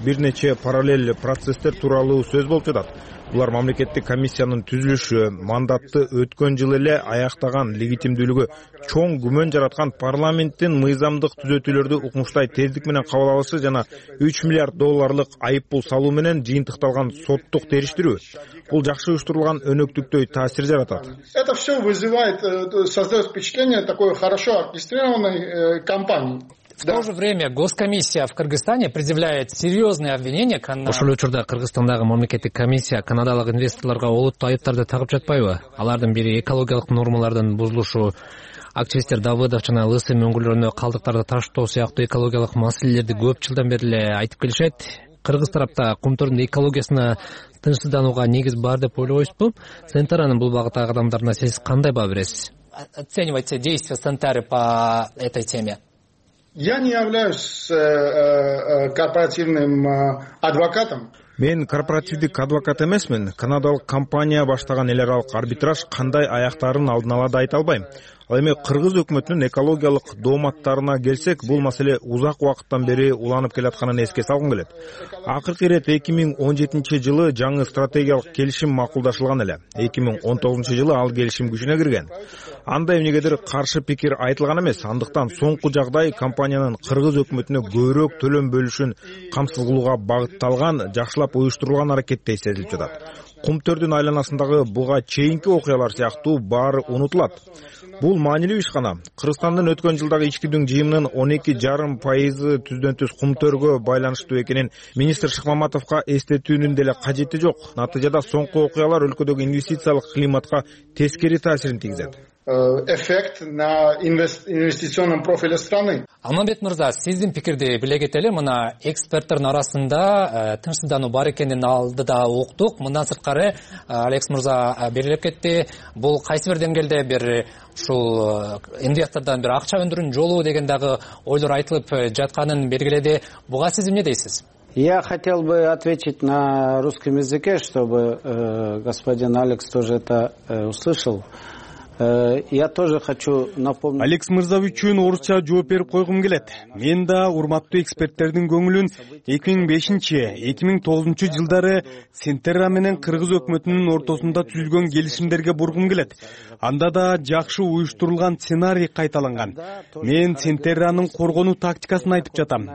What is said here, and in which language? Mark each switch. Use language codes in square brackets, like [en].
[ky] Бир нече параллель процесстер тууралуу сөз болуп жатат. Булар мамлекеттик комиссиянын түзүлүшү, мандатты өткөн жыл эле аяктаган легитимдүүлүгү чоң күмөн жараткан парламенттин мыйзамдык түзөтүүлөрдү укмуштай тездик менен кабыл алышы жана 3 миллиард долларлык айып пул салуу менен жыйынтыкталган соттук териштирүү. Бул жакшы уюштурулган өнөктүктөй таасир жаратат. [ru] Это все вызывает, создает впечатление такой хорошо оркестрированной кампании. то же время госкомиссия в Кыргызстане предъявляет серьезные обвинения Канаде. [ky] Ошол учурда Кыргызстандагы мамлекеттик комиссия канадалык инвесторлорго олуттуу айыптарды тагып жатпайбы? Алардын бири экологиялык нормалардын бузулушу, активисттер Давыдов жана Лысый мөңгүлөрүнө калдыктарды таштоо сыяктуу экологиялык маселелерди көп жылдан бери эле айтып келишет. Кыргыз тарапта Кумтордун экологиясына тынчсызданууга негиз бар деп ойлобойсузбу? Сентаранын бул багыттагы адамдарына сиз кандай баа бересиз? [ru] Оценивайте действия Сентары по этой теме. Я не являюсь корпоративным адвокатом. [ky] Мен корпоративдик адвокат эмесмин. Канадалык компания баштаган эл аралык арбитраж кандай аяктарын алдын ала да айта албайм. Ал эми кыргыз өкмөтүнүн экологиялык дооматтарына келсек, бул маселе узак убакыттан бери уланып келатканын эске салгым келет. Акыркы ирет 2017-жылы жаңы стратегиялык келишим макулдашылган эле. 2019-жылы ал келишим күчүнө кирген. Анда эмнегедир каршы пикир айтылган эмес. Андыктан соңку жагдай компаниянын кыргыз өкмөтүнө көбүрөөк төлөм бөлүшүн камсыз кылууга багытталган, жакшылап уюштурулган аракеттей сезилип жатат. Кумтөрдүн айланасындагы буга чейинки окуялар сыяктуу баары унутулат. Бул маанилүү иш гана. Кыргызстандын өткөн жылдагы ичкидүн жыйымынын 12.5% түздөн-түз кумтөргө байланыштуу экенин министр Шыкмаматовго эстетүүнүн деле кажети жок. Натыйжада соңку окуялар өлкөдөгү инвестициялык климатка тескери таасирин тийгизет. [ru] Эффект на инвестиционном профиле страны. [ky] Алмамбет мырза, сиздин пикирди биле кетели, мына эксперттердин арасында тынчсыздануу бар экенин алдыда уктук. Мындан сырткары Алекс мырза берилип кетти. Бул кайсы бир деңгээлде бир ушул инвестордон бир акча өндүрүүнүн жолу деген дагы ойлор айтылып жатканын белгиледи. Буга сиз эмне дейсиз? [ru] Я хотел бы ответить на русском языке, чтобы господин Алекс тоже это услышал. Я тоже хочу напомнить. [ky] Алекс мырза үчүн орусча жооп берип койгум келет. Мен да урматтуу эксперттердин көңүлүн 2005-2009 жылдары Сентерра менен кыргыз өкмөтүнүн ортосунда түзүлгөн келишимдерге бургум келет. Анда да жакшы уюштурулган сценарий кайталанган. Мен Сентерранын коргонуу тактикасын айтып жатам.